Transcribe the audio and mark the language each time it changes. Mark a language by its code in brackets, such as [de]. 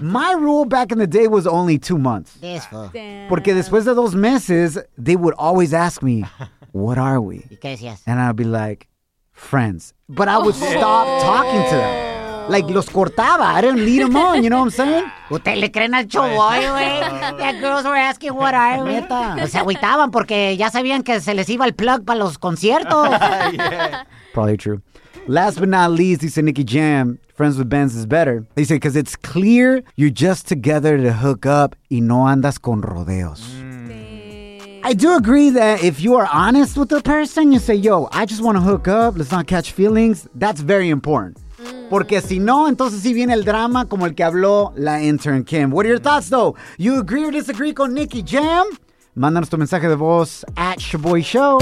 [en] My rule back in the day was only 2 months. This fool. Damn. [es] Porque después de dos meses, [en] they would always ask me, what are we? Because yes. And I'd be like, friends. But I would stop talking to them. Like, [es] los cortaba. [en] I didn't lead them on, you know what I'm saying? [es] ¿Usted le creen al Chavoy, güey? [en] The girls were asking what are we. ¿Neta? [es] Pues se agüitaban porque ya sabían que se les iba el plug para los conciertos. [en] Yeah. Probably true. Last but not least, dice Nicky Jam, friends with Benz is better. They say, because it's clear you're just together to hook up [es] y no andas con rodeos. [en] I do agree that if you are honest with the person, you say, yo, I just want to hook up, let's not catch feelings, that's very important. [es] Porque si no, entonces sí viene el drama como el que habló la intern Kim. [en] What are your thoughts, though? You agree or disagree [es] con Nicky Jam? Mándanos tu mensaje de voz at Shaboy Show.